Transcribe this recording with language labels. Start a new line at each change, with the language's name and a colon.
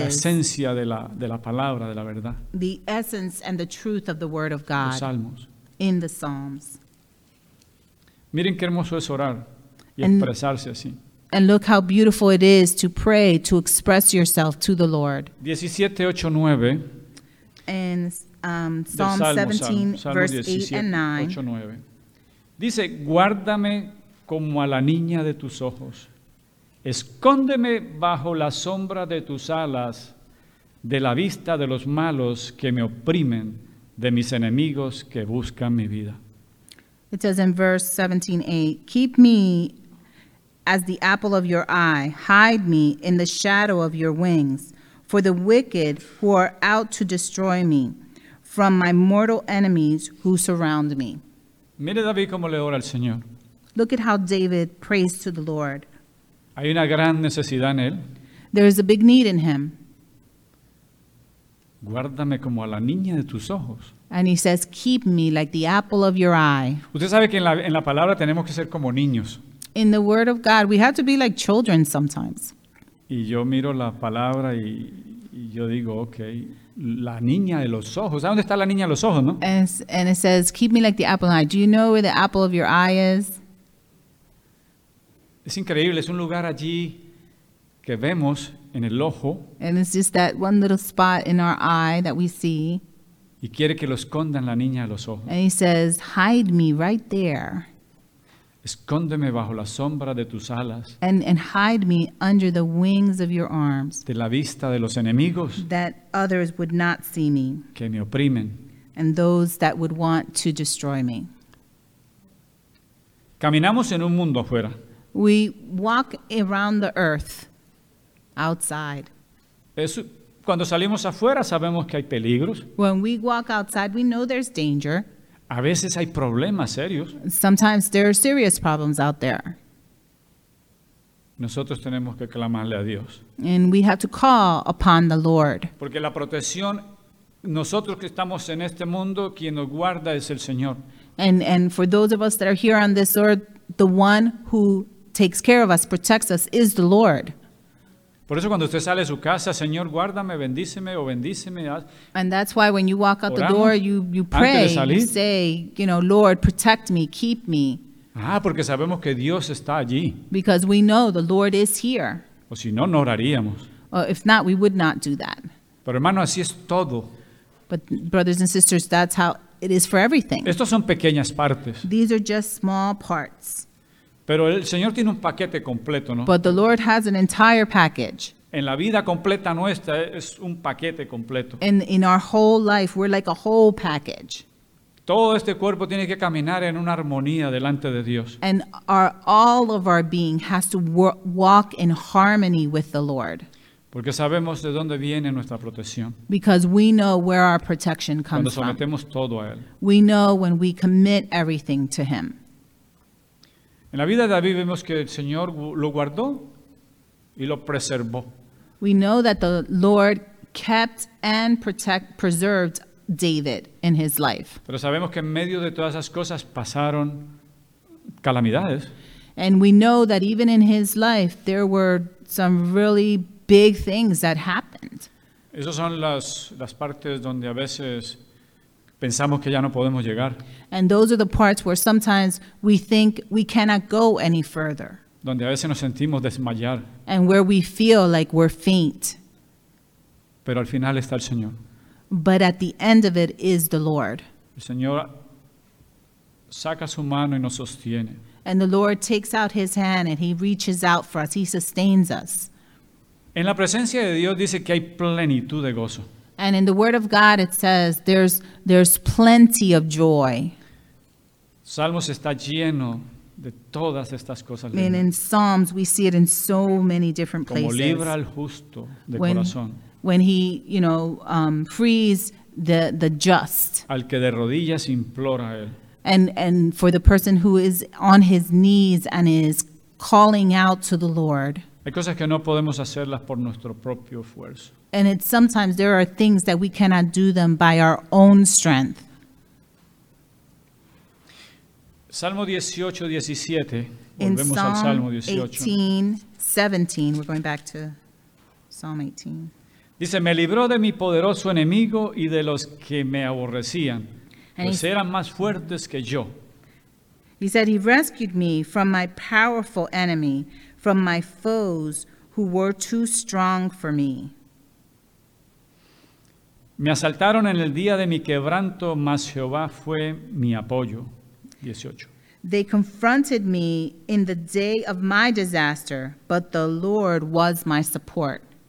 Spanish: La esencia de la palabra, de la verdad.
English: The essence and the truth of the word of God.
Spanish: Los Salmos.
English: In the Psalms.
Spanish: Miren qué hermoso es orar y expresarse así.
English: And look how beautiful it is to pray, to express yourself to the Lord.
Spanish: 17:8-9.
English: And Psalm 17:8-9.
Spanish: Dice, guárdame como a la niña de tus ojos. Escóndeme bajo la sombra de tus alas, de la vista de los malos que me oprimen, de mis enemigos que buscan mi vida.
English: It says in verse 17:8, keep me as the apple of your eye, hide me in the shadow of your wings, for the wicked who are out to destroy me, from my mortal enemies who surround me.
Spanish: Mire David cómo le ora al Señor.
English: Look at how David prays to the Lord.
Spanish: Hay una gran necesidad en él.
English: There is a big need in him.
Spanish: Guárdame como a la niña de tus ojos.
English: And he says, keep me like the apple of your eye.
Spanish: Usted sabe que en la palabra tenemos que ser como niños.
English: In the word of God, we have to be like children sometimes.
Spanish: Y yo miro la palabra y yo digo, okay, la niña de los ojos. ¿Dónde está la niña de los ojos, no?
English: And it says, keep me like the apple of your eye. Do you know where the apple of your eye is?
Spanish: Es increíble, es un lugar allí que vemos en el ojo.
English: And it's just that one little spot in our eye that we see.
Spanish: Y quiere que lo escondan la niña de los ojos.
English: And he says, hide me right there.
Spanish: Escóndeme bajo la sombra de tus alas.
English: And hide me under the wings of your arms.
Spanish: De la vista de los enemigos.
English: That others would not see me.
Spanish: Que me oprimen.
English: And those that would want to destroy me.
Spanish: Caminamos en un mundo afuera.
English: We walk around the earth outside.
Spanish: Eso, cuando salimos afuera sabemos que hay peligros.
English: When we walk outside, we know there's danger.
Spanish: A veces hay problemas serios.
English: Sometimes there are serious problems out there.
Spanish: Nosotros tenemos que clamarle a Dios.
English: And we have to call upon the Lord.
Spanish: Porque la protección, nosotros que estamos en este mundo, quien nos guarda es el Señor.
English: And for those of us that are here on this earth, the one who takes care of us, protects us, is the Lord.
Spanish: Por eso cuando usted sale de su casa, Señor, guárdame, bendíceme o bendíceme.
English: And that's why when you walk out the door, you pray, you say, you know, Lord, protect me, keep me.
Spanish: Ah, porque sabemos que Dios está allí.
English: Because we know the Lord is here.
Spanish: O si no, no oraríamos.
English: If not, we would not do that.
Spanish: Pero hermano, así es todo.
English: But brothers and sisters, that's how it is for everything.
Spanish: Estos son pequeñas partes.
English: These are just small parts.
Spanish: Pero el Señor tiene un paquete completo, ¿no?
English: But the Lord has an entire package.
Spanish: En la vida completa nuestra es un paquete completo.
English: In our whole life, we're like a whole package.
Spanish: Todo este cuerpo tiene que caminar en una armonía delante de Dios.
English: And all of our being has to walk in harmony with the Lord.
Spanish: Porque sabemos de dónde viene nuestra protección.
English: Because we know where our protection comes from.
Spanish: Cuando sometemos
English: from.
Spanish: Todo a Él.
English: We know when we commit everything to Him.
Spanish: En la vida de David vemos que el Señor lo guardó y lo preservó.
English: We know that the Lord kept and preserved David in his life.
Spanish: Pero sabemos que en medio de todas esas cosas pasaron calamidades.
English: And we know that even in his life there were some really big things that happened.
Spanish: Esas son las partes donde a veces pensamos que ya no podemos llegar.
English: And those are the parts where sometimes we think we cannot go any further.
Spanish: Donde a veces nos sentimos desmayar.
English: And where we feel like we're faint.
Spanish: Pero al final está el Señor.
English: But at the end of it is the Lord.
Spanish: El Señor saca su mano y nos sostiene.
English: And the Lord takes out his hand and he reaches out for us. He sustains us.
Spanish: En la presencia de Dios dice que hay plenitud de gozo.
English: And in the word of God it says there's plenty of joy.
Spanish: Salmos está lleno de todas estas cosas.
English: And in Psalms we see it in so many different places.
Spanish: Como libra al justo de
English: when,
Spanish: corazón.
English: When he, you know, frees the just.
Spanish: Al que de rodillas implora a él.
English: And for the person who is on his knees and is calling out to the Lord.
Spanish: Hay cosas que no podemos hacerlas por nuestro propio esfuerzo.
English: And it's sometimes there are things that we cannot do them by our own strength.
Spanish: Salmo 18, 17. Volvemos al Salmo 18.
English: 18:17. We're going back to Psalm 18.
Spanish: Dice, me libró de mi poderoso enemigo y de los que me aborrecían, pues eran más fuertes que yo. He said, he rescued me from my powerful enemy, from my foes who were too strong for me. Me asaltaron en el día de mi quebranto, mas Jehová fue mi apoyo.
English: 18. They confronted me in the day of my disaster, but the Lord was my support.